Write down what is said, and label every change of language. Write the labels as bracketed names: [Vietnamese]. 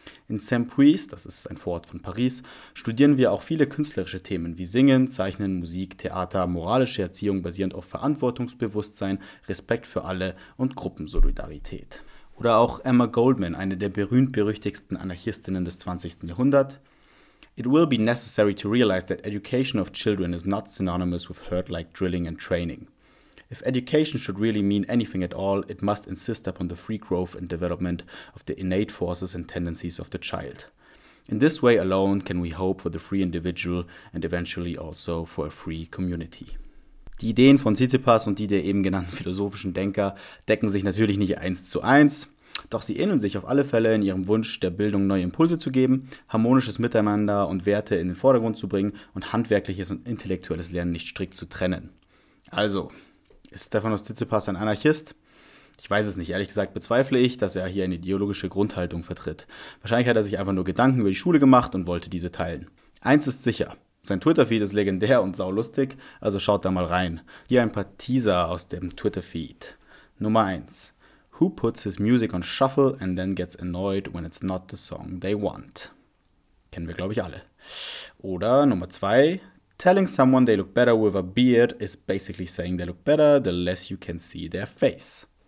[German] In Saint-Puis, das ist ein Vorort von Paris, studieren wir auch viele künstlerische Themen wie Singen, Zeichnen, Musik, Theater, moralische Erziehung basierend auf Verantwortungsbewusstsein, Respekt für alle und Gruppensolidarität. Oder auch Emma Goldman, eine der berühmt-berüchtigsten Anarchistinnen des 20. Jahrhunderts. [English] It will be necessary to realize that education of children is not synonymous with herd like drilling and training. If education should really mean anything at all, it must insist upon the free growth and development of the innate forces and tendencies of the child. In this way alone can we hope for the free individual and eventually also for a free community. [German] Die Ideen von Tsitsipas und die der eben genannten philosophischen Denker decken sich natürlich nicht eins zu eins. Doch sie ähneln sich auf alle Fälle in ihrem Wunsch, der Bildung neue Impulse zu geben, harmonisches Miteinander und Werte in den Vordergrund zu bringen und handwerkliches und intellektuelles Lernen nicht strikt zu trennen. Also, ist Stefanos Tsitsipas ein Anarchist? Ich weiß es nicht. Ehrlich gesagt bezweifle ich, dass er hier eine ideologische Grundhaltung vertritt. Wahrscheinlich hat er sich einfach nur Gedanken über die Schule gemacht und wollte diese teilen. Eins ist sicher: Sein Twitter-Feed ist legendär und saulustig, also schaut da mal rein. Hier ein paar Teaser aus dem Twitter-Feed. Nummer 1. [English] Who puts his music on shuffle and then gets annoyed when it's not the song they want? [German] Kennen wir, glaube ich, alle. Oder Nummer 2. [English] Telling someone they look better with a beard is basically saying they look better the less you can see their face.